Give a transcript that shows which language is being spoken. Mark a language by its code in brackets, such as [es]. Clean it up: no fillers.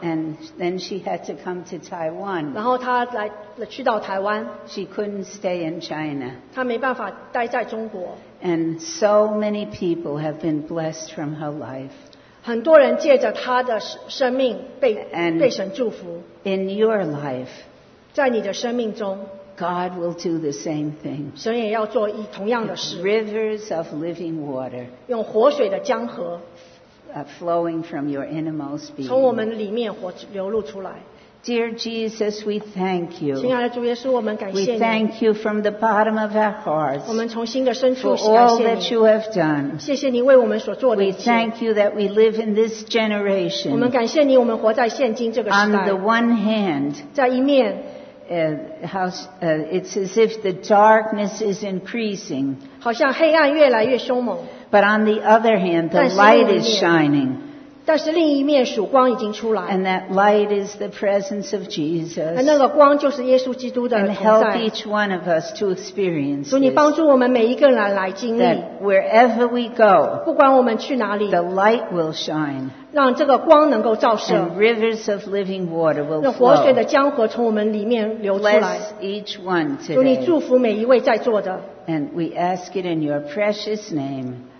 [en] And then she had to come to Taiwan. [zh] 然后她来了去到台湾。 [en] She couldn't stay in China. [zh] 她没办法待在中国。 [en] And so many people have been blessed from her life. [zh] 很多人借着她的生命被神祝福。 [en] In your life. [zh] 在你的生命中。 [en] God will do the same thing. [zh] 神也要做同样的事。 [en] Rivers of living water. [zh] 用活水的江河。 [en] Flowing from your innermost being. [zh] 从我们里面活流露出来。 [en] Dear Jesus, we thank you. [zh] 亲爱的主耶稣，我们感谢你。 [en] We thank you from the bottom of our hearts. [zh] 我们从心的深处感谢你。 [en] For all that you have done. [zh] 谢谢你为我们所做的一切。 [en] We thank you that we live in this generation. [zh] 我们感谢你，我们活在现今这个时代。 [en] On the one hand. [zh] 在一面。 [en] It's as if the darkness is increasing. [zh] 好像黑暗越来越凶猛。 [en] But on the other hand, the light is shining. [zh] 但是另一面曙光已经出来。 [en] And that light is the presence of Jesus. [zh] 那个光就是耶稣基督的同在。 [en] And help each one of us to experience this. [zh] 主，你帮助我们每一个人来经历。 [en] That wherever we go, [zh] 不管我们去哪里， [en] the light will shine. [zh] 让这个光能够照射。 [en] And rivers of living water will flow. [zh] 那活水的江河从我们里面流出来。 [en] Bless each one today. [zh] 主，你祝福每一位在座的。 [en] And we ask it in your precious name.